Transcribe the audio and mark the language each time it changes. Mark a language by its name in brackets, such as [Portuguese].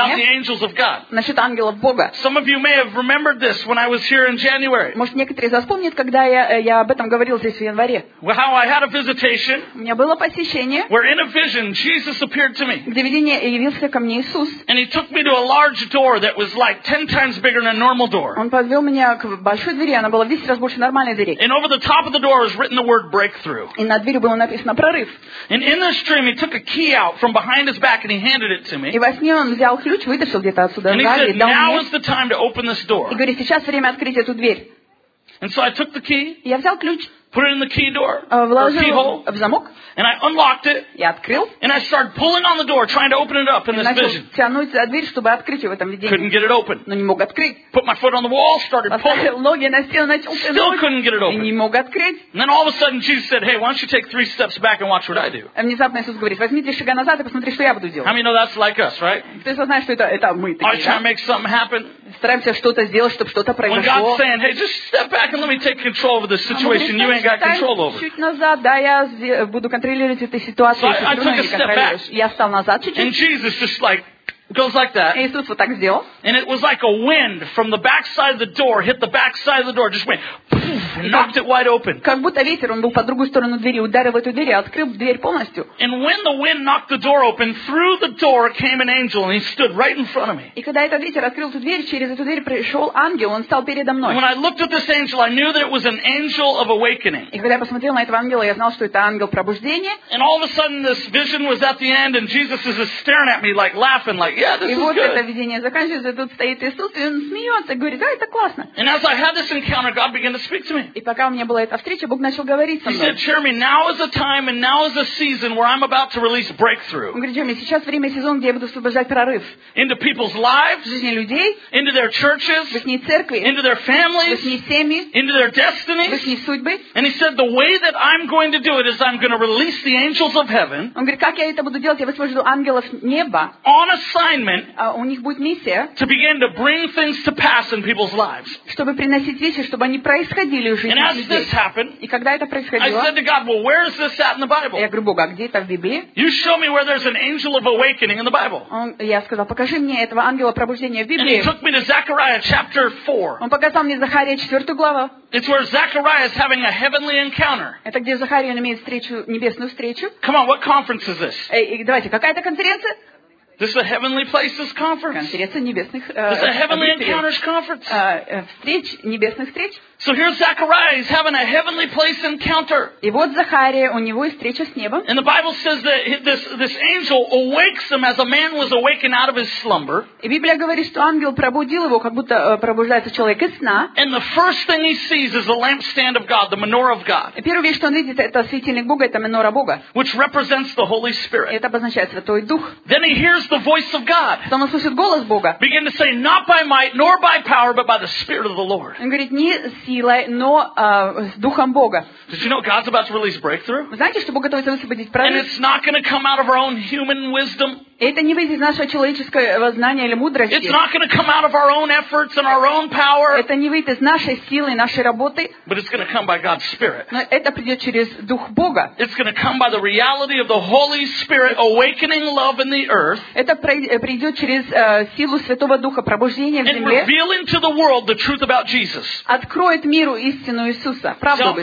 [English] About the angels of God. [Russian] Насчет ангелов Бога. [English] Some of you may have remembered this when I was here in January. [Russian] Может, некоторые из вас помнят, когда я об этом говорил здесь в январе. [English] Well, how I had a visitation. [Russian] У меня было посещение. [English] Where in a vision Jesus appeared to me. [Russian] Где видение явился ко мне Иисус. [English] And He took me to a large door that was like 10 times bigger than a normal door. [Russian] Он подвел меня к большой двери, она была в 10 раз больше нормальной двери. [English] And over the top of the door was written the word breakthrough. [Russian] И на двери было написано прорыв. [English] And in this dream He took a key out from behind His back and He handed it to me. [Russian] И во сне он взял ключ, вытащил где-то отсюда, [English] and [Russian] сзади, [English] he said, [Russian] и дал [English] now [Russian] мне. [English] Is the time to open this door. [Russian] И говорит, сейчас время открыть эту дверь. [English] And so I took the key. [Russian] Я взял ключ. [English] Put it in the key door. [Russian] Вложил [English] keyhole, [Russian] в замок. [English] And I unlocked it. [Russian] Я открыл. [English] And I started pulling on the door, trying to open it up in [Russian] и [English] this [Russian] начал [English] vision. [Russian] Тянуть за дверь, чтобы открыть ее в этом видении. [English] Couldn't get it open. [Russian] Но не мог открыть. [English] Put my foot on the wall, started pulling. [Russian] Ноги на стену, начал тянуть. [English] Still couldn't get it open. [Russian] И не мог открыть. [English] And then all of a sudden Jesus said, "Hey, why don't you take 3 steps back and watch what I do?" [Russian] А внезапно Иисус говорит, возьми 3 шага назад и посмотри, что я буду делать. [English] How many know that's like us, right? [Russian] Ты же знаешь, что это мы такие. [English] Are you trying to make something happen? [Russian] Стараемся что-то сделать, чтобы что-то произошло. [English] When God's saying, "Hey, just step back and let me take control over this situation," you ain't got control over. [Russian] Чуть назад, да, я буду контролировать эту ситуацию. [English] So I took a step back. [Russian] Я встал назад чуть-чуть. [English] And Jesus just like goes like that. [Russian] Иисус вот так сделал. [English] And it was like a wind from the back side of the door hit the back side of the door, just went, poof, knocked it wide open. [Russian] Как будто ветер, он был по другую сторону двери, ударил в эту дверь, открыл дверь полностью. [English] And when the wind knocked the door open, through the door came an angel, and he stood right in front of me. [Russian] И когда этот ветер открыл эту дверь, через эту дверь пришел ангел, он стал передо мной. [English] When I looked at this angel, I knew that it was an angel of awakening. [Russian] И когда я посмотрел на этого ангела, я знал, что это ангел пробуждения. [English] And all of a sudden, this vision was at the end, and Jesus is just staring at me, like laughing, like. Yeah, this [Russian] и [English] is [Russian] вот [English] good. [Russian] Это видение заканчивается, и тут стоит Иисус, и Он смеется, говорит, да, это классно. [English] And as I had this encounter, God began to speak to me. [Russian] И пока у меня была эта встреча, Бог начал говорить со мной. [English] He said, Jeremy, now is the time and now is the season where I'm about to release breakthrough. [Russian] Он говорит, Джереми, сейчас время сезон, где я буду освобождать прорыв. [English] Into people's lives. В жизни людей. Into their churches. В их церкви. Into their families. [Russian] В их семьи. [English] Into their destinies. [Russian] В их судьбы. [English] And he said, the way that I'm going to do it is I'm going to release the angels of heaven. [Russian] Он говорит, как я это буду делать, я высвобожу ангелов неба. [English] On assignment. [Russian] У них будет миссия. [English] To begin to bring things to pass in people's lives. [Russian] Чтобы приносить вещи, чтобы они происходили в жизни людей. И когда это происходило, [English] I said to God, well, where is this at in the Bible? [Russian] Я говорю, Бог, а где это в Библии? [English] You show me where there's an angel of awakening in the Bible. [Russian] Я сказал, покажи мне этого ангела пробуждения в Библии. [English] And he took me to Zechariah chapter 4. [Russian] Он показал мне Захария 4 главу. [English] It's where Zechariah is having a heavenly encounter. [Russian] Это где Захария имеет встречу, небесную встречу. [English] Come on, what conference is this? [Russian] Давайте, какая это конференция? [English] This is a heavenly places conference. This is a heavenly encounters conference. [Russian] Встреч, небесных встреч. [English] So here's Zechariah, he's having a heavenly place encounter. [Russian] И вот Захария, у него встреча с небом. [English] And the Bible says that this angel awakes him as a man was awakened out of his slumber. [Russian] И Библия говорит, что ангел пробудил его, как будто пробуждается человек из сна. [English] And the first thing he sees is the lampstand of God, the menorah of God. [Russian] И первое, что он видит, это светильник Бога, это менора Бога. [English] Which represents the Holy Spirit. [Russian] Это обозначает Святой Дух. [English] Then he hears the voice of God. [Russian] Потом он слышит голос Бога. [English] Begin to say, not by might nor by power, but by the Spirit of the Lord. [Russian] Он говорит, не силой, но с Духом Бога. [English] Did you know God's about to release breakthrough? [Russian] Вы знаете, что Бог готовится высвободить прорыв? [English] And it's not going to come out of our own human wisdom. [Russian] Это не выйдет из нашего человеческого знания или мудрости. [English] It's not going to come out of our own efforts and our own power. [Russian] Это не выйдет из нашей силы, нашей работы. [English] But it's going to come by God's Spirit. [Russian] Но это придет через Дух Бога. [English] It's going to come by the reality of the Holy Spirit awakening love in the earth. [Russian] Это придет через силу Святого Духа, пробуждение в земле. [English] And revealing to the world the truth about Jesus. [Russian] Откроет миру истину Иисуса, правду Иисуса.